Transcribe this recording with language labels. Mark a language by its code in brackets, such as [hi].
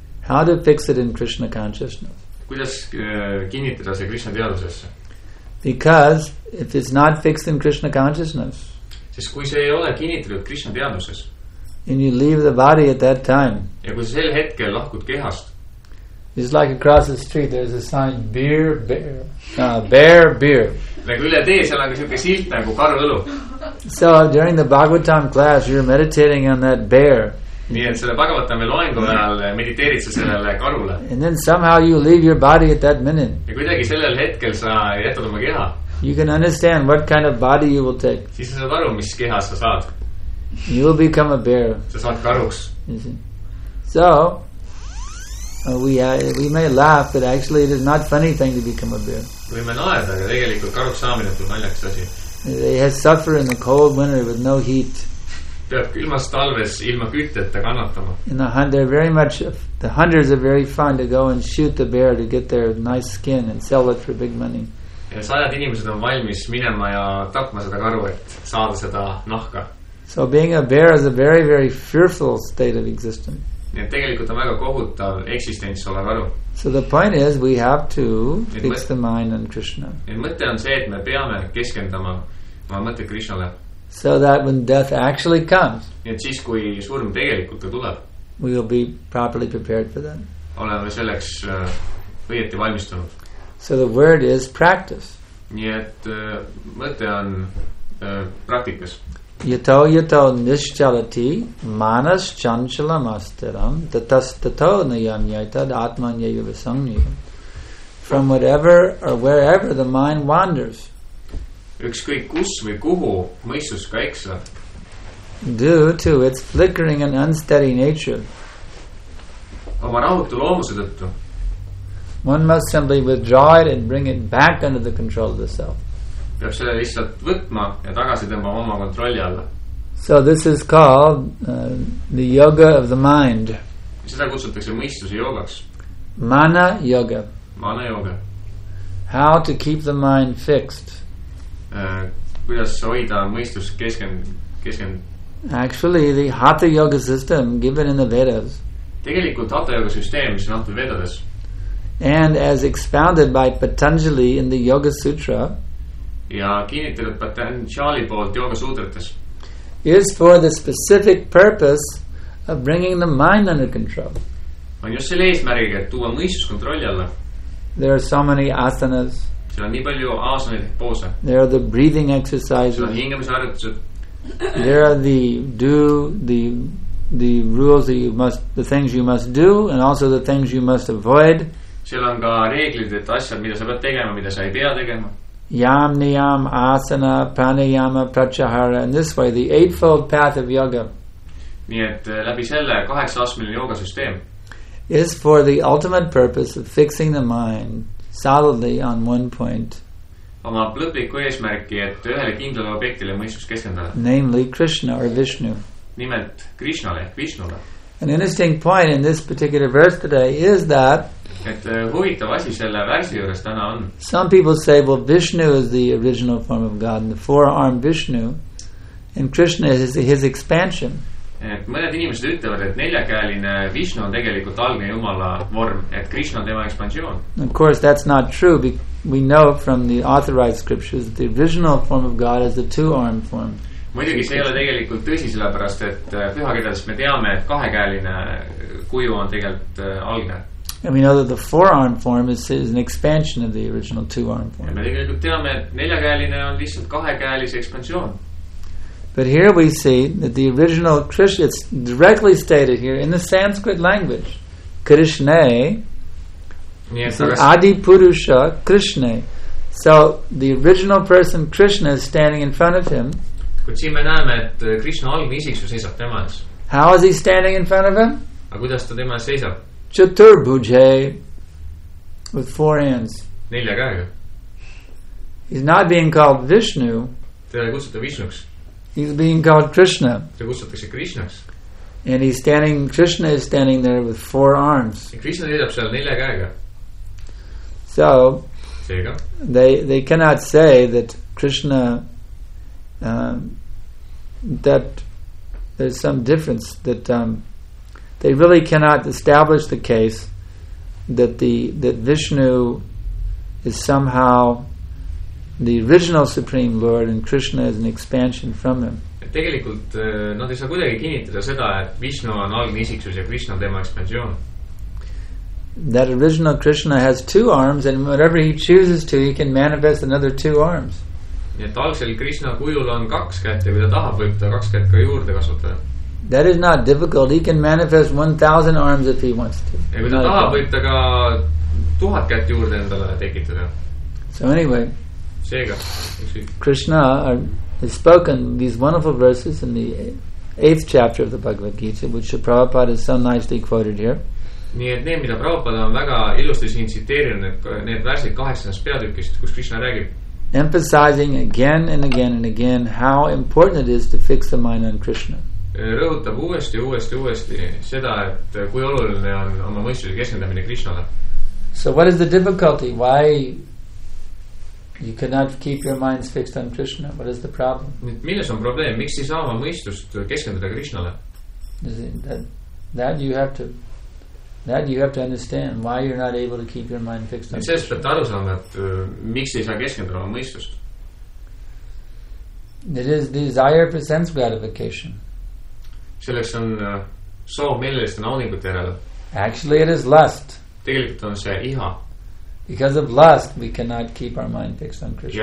[en] How to fix it in Krishna consciousness? [et] Kuidas kinnitada see Krishna teadusesse? [en] Because if it's not fixed in Krishna consciousness. [et] Sest kui see ei ole kinnitatud Krishna teaduses. [en] And you leave the body at that time. [et] Ja kui sel hetkel lahkud kehast. [en] It's like across the street there's a sign bear. [et] Nagu üle tee, seal on ka siuke silt nagu karu õlu. [en] So during the Bhagavatam class you're meditating on that bear. [et] Nii et selle Bhagavatami loengu ajal mediteerid sa sellele karule. [en] And then somehow you leave your body at that minute. [et] Ja kuidagi sellel hetkel sa jätad oma keha. [en] You can understand what kind of body you will take. [et] Siis sa saad aru, mis keha sa saad. [en] You will become a bear. [et] Sa saad karuks. [en] So, we may laugh, but actually it is not funny thing to become a bear. [et] Võime naerda, aga tegelikult karuks saamine tuleb naljakas asi. [en] They have suffered in the cold winter with no heat. [et] Peab külmas talves ilma kütteta kannatama. [en] And the hunters are very fond to go and shoot the bear to get their nice skin and sell it for big money. [et] Ja sajad inimesed on valmis minema ja tapma seda karu, et saada seda nahka. [en] So being a bear is a very, very fearful state of existence. [et] Nii et tegelikult on väga kohutav eksistents olev aru. [en] So the point is, we have to fix the mind on Krishna. [et] Nii et mõte on see, et me peame keskendama oma mõte Krishnale. [en] So that when death actually comes, [et] nii et siis, kui surm tegelikult ka tuleb, [en] we will be properly prepared for that. [et] Oleme selleks õieti valmistunud. [en] So the word is practice. [et] Nii et mõte on praktikas. [sa] Yato yato nishchalati manas chanchalam astiram tatastato nayam yaitad atmanya yuvasangni. [en] From whatever or wherever the mind wanders. [et] Ükskõik kus või kuhu mõistus ka eksab. [en] Due to its flickering and unsteady nature. [et] Oma rahutu loomuse tõttu. [en] One must simply withdraw it and bring it back under the control of the self. [et] Peab selle lihtsalt võtma ja tagasi tõmbama oma kontrolli alla. [en] So this is called the yoga of the mind. [et] Seda kutsutakse mõistuse joogaks. [en] Mana yoga. [et] Mana yoga. [en] How to keep the mind fixed. [et] Kuidas hoida mõistus keskend. [en] Actually, the Hatha yoga system given in the Vedas. [et] Tegelikult Hatha yoga süsteem, mis on antud Vedades. [en] And as expounded by Patanjali in the Yoga Sutra. [et] Ja kinnitatud Patanjali poolt Yoga Sutrates. [en] Is for the specific purpose of bringing the mind under control. [et] On just selle eesmärgiga, et tuua mõistus kontrolli alla. [en] There are so many asanas. [et] Seal on nii palju asaneid poose. [en] There are the breathing exercises. [et] Seal on hingamisharjutused. [en] There are the rules that you must, the things you must do, and also the things you must avoid. [et] Seal on ka reeglid, et asjad, mida sa pead tegema, mida sa ei pea tegema. [en] Yam, niyam, asana, pranayama, pratyahara, and this way, the eightfold path of yoga. [et] Nii et läbi selle kaheksaastmeline yoga süsteem. [en] Is for the ultimate purpose of fixing the mind solidly on one point. [et] Oma lõpliku eesmärki, et ühele kindlale objektile mõistus keskendada. [en] Namely Krishna or Vishnu. [et] Nimelt Krishnale ehk Vishnule. [en] An interesting point in this particular verse today is that [et] et huvitav asi selle värsi juures täna on. [en] Some people say, well, Vishnu is the original form of God, and the four-armed Vishnu, and Krishna is his expansion. [et] Et mõned inimesed ütlevad, et neljakäeline Vishnu on tegelikult algne Jumala vorm, et Krishna on tema ekspansioon. [en] Of course, that's not true, we know from the authorized scriptures that the original form of God is the two-armed form. [et] Muidugi see ei ole tegelikult tõsi, sellepärast, et pühakirjades me teame, et kahekäeline kuju on tegelikult algne. [en] And we know that the four-armed form is an expansion of the original two-armed form. [et] Ja me tegelikult teame, et neljakäeline on lihtsalt kahekäelise ekspansioon. [en] But here we see that the original Krishna, it's directly stated here in the Sanskrit language, Krishna, Adipurusha Krishna. So the original person Krishna is standing in front of him. [et] Kui siin me näeme, et Krishna algne isiksus seisab tema ees. [en] How is he standing in front of him? [et] Aga kuidas ta tema ees seisab? [en] Chaturbhuja, with four hands. [et] Nelja käega. [en] He's not being called Vishnu. [et] Teda ei kutsuta Vishnuks. [en] He's being called Krishna. [et] Teda kutsutakse Krishnaks. [en] And he's standing, Krishna is standing there with four arms. [et] Ja Krishna seisab seal nelja käega. [en] So, [et] seega. [en] They cannot say that Krishna, that there's some difference that, they really cannot establish the case that that Vishnu is somehow the original Supreme Lord and Krishna is an expansion from him. [et] Tegelikult nad ei saa kuidagi kinnitada seda, et Vishnu on algne isiksus ja Krishna tema ekspansioon. [en] That original Krishna has two arms and whatever he chooses to, he can manifest another two arms. [et] Ja algsel Krishna kujul on kaks kätt ja kui ta tahab, võib ta kaks kätt ka juurde kasutada. [en] That is not difficult. He can manifest 1,000 arms if he wants to. [et] Ja kui ta tahab, võib ta ka 1000 kätt juurde endale tekitada. [en] So anyway, [et] seega, [en] Krishna has spoken these wonderful verses in the 8th chapter of the Bhagavad Gita, which Prabhupada has so nicely quoted here. [et] Nii et need, mida Prabhupada on väga ilusti siin tsiteerinud, need värsid 8. peatükist, kus Krishna räägib. [en] Emphasizing again and again and again how important it is to fix the mind on Krishna. [et] Rõhutab uuesti seda, et kui oluline on oma mõistuse keskendamine Krishnale. [en] So what is the difficulty? Why you cannot keep your minds fixed on Krishna? What is the problem? [et] Nüüd, milles on probleem? Miks ei saa oma mõistust keskendada Krishnale? [en] That you have to understand why you're not able to keep your mind fixed on [et] Nüüd, sellest peab aru saama, et miks ei saa keskendada oma mõistust? [en] It is desire for sense gratification. [et] Selleks on soov meeleliste naunikute järele. [en] Actually, it is lust. [et] Tegelikult on see iha. [en] Because of lust, we cannot keep our mind fixed on Krishna.